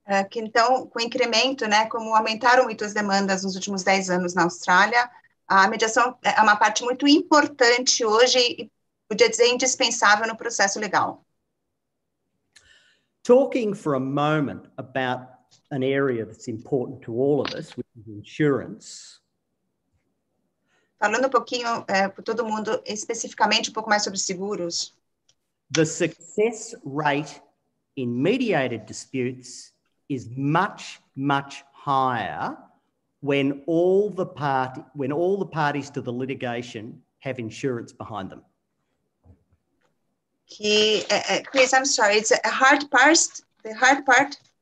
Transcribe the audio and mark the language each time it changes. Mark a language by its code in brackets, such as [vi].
[pt] Que então, com o incremento, né, como aumentaram muito as demandas nos últimos 10 anos na Austrália, a mediação é uma parte muito importante hoje, e podia dizer indispensável no processo legal. [en] Talking for a moment about an area that's important to all of us, which is insurance. [pt] Falando um pouquinho para todo mundo, especificamente um pouco mais sobre seguros. [en] The success rate in mediated disputes is much, much higher when all the parties to the litigation have insurance behind them. Chris, I'm sorry. It's a hard part. The hard part.